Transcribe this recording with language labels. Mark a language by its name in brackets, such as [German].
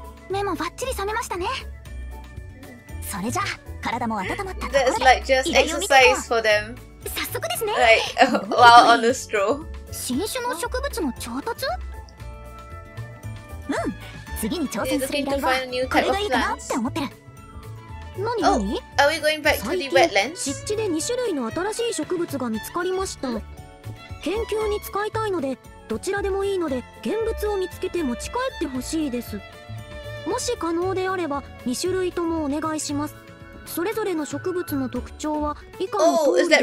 [Japanese] 目もバッチリ覚めましたね。それじゃ、体も温まったところ [English] で。That's like just exercise for them. [Japanese] 早速ですね。 [English] Like, while on the straw. [Japanese] 新種の植物の調達？うん、次に挑戦する依頼はこれがいいかなって思ってる。 [English] Oh, are we going back to the wetlands? [Japanese] 湿地で2種類の新しい植物が見つかりました。研究に使いたいので、どちらでもいいので、現物を見つけて持ち帰ってほしいです。もし可能であれば、2種類ともお願いします。それぞれの植物の特徴は以下の通りです。